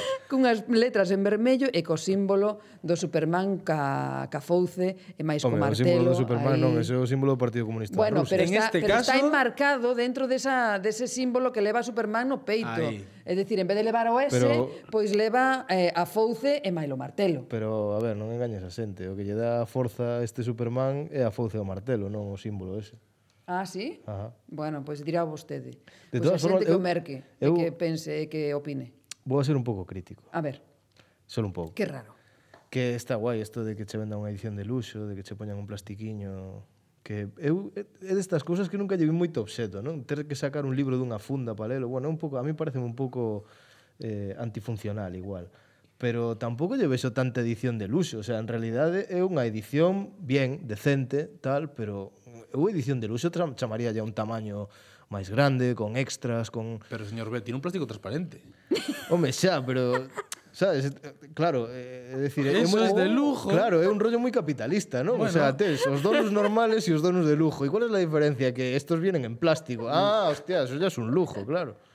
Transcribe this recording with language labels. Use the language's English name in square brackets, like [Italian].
[Galician] Con unas letras en vermello e co símbolo do Superman ca fouce e máis co martelo. O símbolo do Superman, non, ese é o símbolo do Partido Comunista. Bueno, Rusia. Pero está enmarcado dentro dese símbolo que leva Superman no peito. Ahí. É dicir, en vez de levar o S, pois leva a fouce e máis o martelo. Pero, a ver, non engañes a xente. O que lle dá forza a este Superman é a fouce e o martelo, non o símbolo ese. Ah, sí? Ajá. Bueno, pois dirá vostede. De todas formas, que o merque, que pense, que opine. Vou a ser un pouco crítico. A ver. Solo un pouco. Que raro. Que está guai isto de que che venda unha edición de luxo, de que che poñan un plastiquiño. Que eu é destas cousas que nunca lle vi moito obxeto, non? Ter que sacar un libro dunha funda para lelo. Bueno, un pouco, a mí parece un pouco antifuncional igual. Pero tampouco lle vexo tanta edición de luxo. O sea, en realidad é unha edición bien, decente, tal, pero... Eu edición de luxo chamaría ya un tamaño máis grande, con extras, con... [Spanish] Pero, señor B, tiene un plástico transparente. [Galician] Home, xa, [Spanish] pero... ¿Sabes? Claro, decir... Eso es de lujo. Claro, es un rollo muy capitalista, ¿no? Bueno. O sea, tés, os donos normales y os donos de lujo. ¿Y cuál es la diferencia? Que estos vienen en plástico. Ah, hostia, eso ya es un lujo, claro.